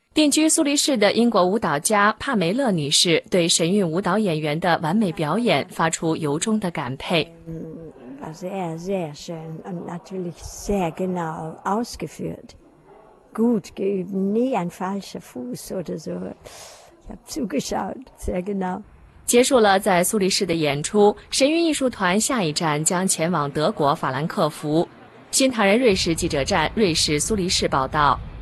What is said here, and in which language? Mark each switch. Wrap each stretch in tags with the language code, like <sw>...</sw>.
<zh>定居苏黎世的英国舞蹈家帕梅勒女士对神韵舞蹈演员的完美表演发出由衷的感佩。</zh> <de>Sehr, sehr schön und natürlich sehr genau ausgeführt. Gut geübt, nie ein falscher Fuß oder so. Ich habe zugeschaut, sehr genau.</de> <zh>结束了在苏黎世的演出，神韵艺术团下一站将前往德国法兰克福。新唐人瑞士记者站，瑞士苏黎世报道。</zh>